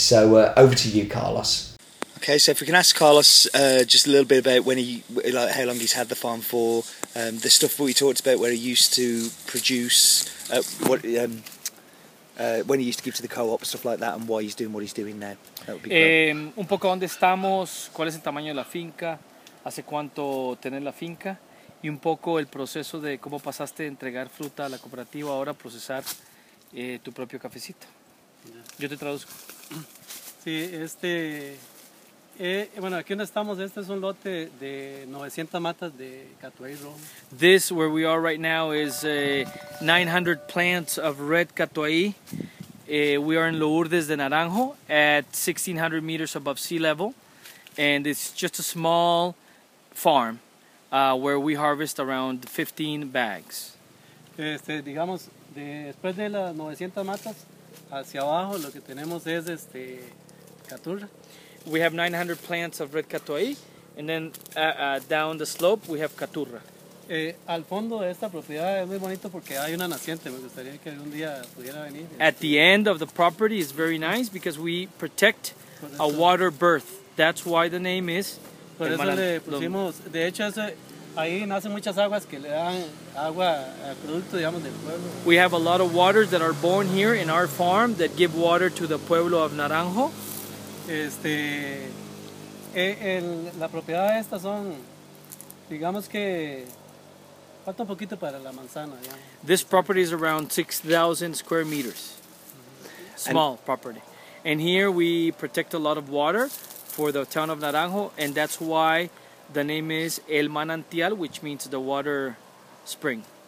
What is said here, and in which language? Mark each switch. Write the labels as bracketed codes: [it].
[en] So over to you, Carlos. Okay, so if we can ask Carlos just a little bit about when he, like, how long he's had the farm for, the stuff we talked about where he used to produce, what when he used to give to the co-op, stuff like that, and why he's doing what he's doing now. That would be great. [es] Un poco dónde estamos, cuál es el tamaño de la finca, hace cuánto tener la finca, y un poco el proceso de cómo pasaste de entregar fruta a la cooperativa ahora a procesar tu propio cafecito. Yo te traduzco. Sí, este... bueno, aquí donde estamos, este es un lote de 900 matas de Catuay Rum. [en] This, where we are right now, is 900 plants of red Catuay. We are in Lourdes de Naranjo at 1,600 meters above sea level. And it's just a small farm where we harvest around 15 bags. [es] Este, digamos, de, después de las 900 matas, hacia abajo, lo que tenemos es este, Caturra. [en] We have 900 plants of red Catuay, and then down the slope we have Caturra. [es] Al fondo de esta propiedad es muy bonito porque hay una naciente. Me gustaría que algún día pudiera venir. [en] At the end of the property is very nice because we protect a water birth. That's why the name is. [es] Por eso le pusimos. De hecho, ese, ahí nacen muchas aguas que le dan agua al producto, digamos, del pueblo. [en] We have a lot of waters that are born here in our farm that give water to the pueblo of Naranjo. [es] Este, la propiedad de estas son, digamos que, falta un poquito para la manzana. Ya. [en] This property is around 6,000 square meters, mm-hmm. Small and property. And here we protect a lot of water for the town of Naranjo, and that's why the name is El Manantial, which means the water spring.